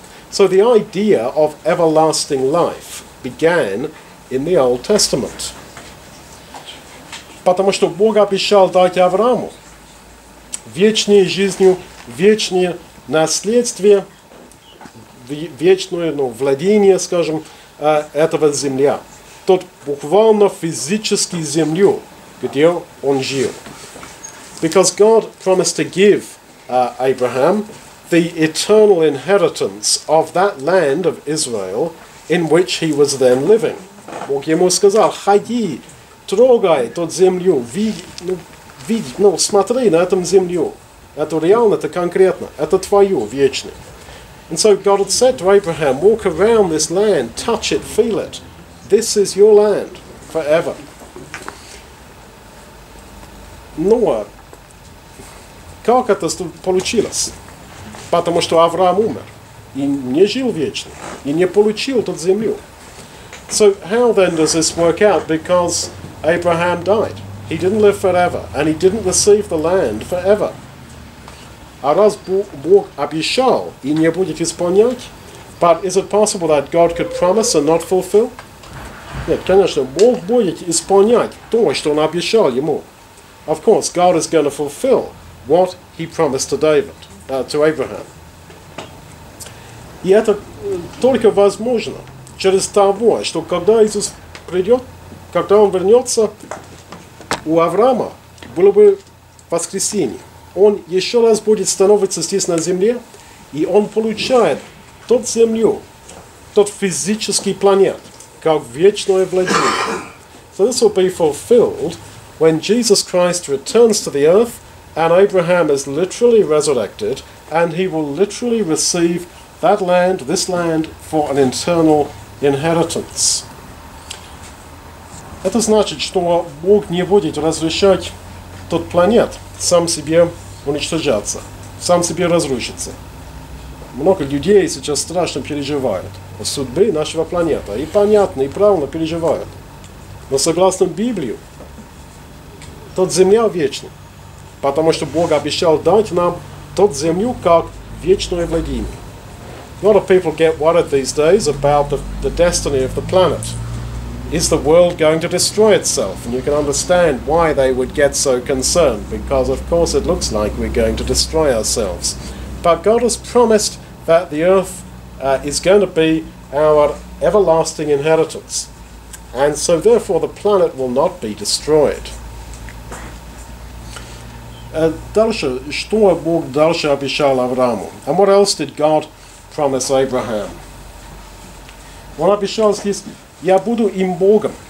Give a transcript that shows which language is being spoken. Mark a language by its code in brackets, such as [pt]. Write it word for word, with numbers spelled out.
[en] So the idea of everlasting life began in the Old Testament. [ru] Потому что Бог обещал дать Аврааму вечную жизнь, вечную наследствие, вечное ну, владение, скажем, этого земля. Тот буквально физически землю, где он жил. [en] Because God promised to give uh, Abraham the eternal inheritance of that land of Israel in which he was then living. [ru] Бог ему сказал, ходи, трогай тот землю, види, ну, види, ну, смотри на эту землю. Это реально, это конкретно, это твое вечное. [en] And so God had said to Abraham, walk around this land, touch it, feel it. This is your land forever. [ru] Но как это получилось? Потому что Авраам умер и не жил вечно, и не получил эту землю. [en] So how then does this work out? Because Abraham died. He didn't live forever, and he didn't receive the land forever. [ru] А раз Бог обещал и не будет исполнять, [en] but is it possible that God could promise and not fulfill? [ru] Нет, конечно, Бог будет исполнять то, что Он обещал ему. [en] Of course, God is going to fulfill what he promised to David, uh, to Abraham. [ru] И это только возможно через того, что когда Иисус придет, когда Он вернется, у Авраама было бы воскресенье. Он еще раз будет становиться здесь на земле, и он получает тот землю, тот физический планет, как вечное владение. [en] So this will be fulfilled when Jesus Christ returns to the earth and Abraham is literally resurrected, and he will literally receive that land, this land, for an eternal inheritance. [ru] Это значит, что Бог не будет разрешать тот планет сам себе уничтожаться, сам себе разрушиться. Много людей сейчас страшно переживают о судьбе нашего планеты. И понятно, и правильно переживают. Но согласно Библии, тот земля вечна. Потому что Бог обещал дать нам тот землю как вечное владение. [en] A lot of people get worried these days about the, the destiny of the planet. Is the world going to destroy itself? And you can understand why they would get so concerned, because of course it looks like we're going to destroy ourselves. But God has promised that the earth uh, is going to be our everlasting inheritance. And so therefore the planet will not be destroyed. [ru] Uh, дальше, что Бог дальше обещал Аврааму? [en] And what else did God promise Abraham? [ru] Он обещал здесь: я буду им Богом.